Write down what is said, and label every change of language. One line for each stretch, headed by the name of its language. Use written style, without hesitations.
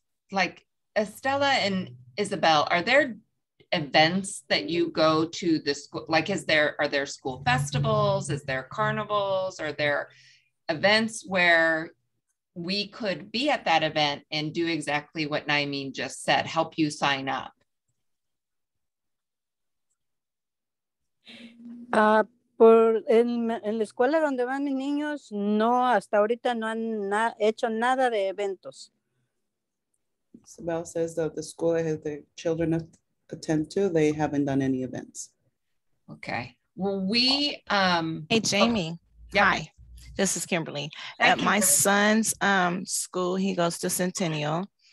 English: like Estela and Isabel, are there events that you go to the school? Like, are there school festivals? Is there carnivals? Are there events where we could be at that event and do exactly what Naimin just said, help you sign up?
Spanish: Por en la escuela donde van mis niños, no, hasta ahorita no han hecho nada de eventos.
English: Isabel says that the school that the children attend to, they haven't done any events. Okay. Well, we... Hey, Jamie. Oh, yeah. Hi, this is Kimberly. At my son's school, he goes to Centennial.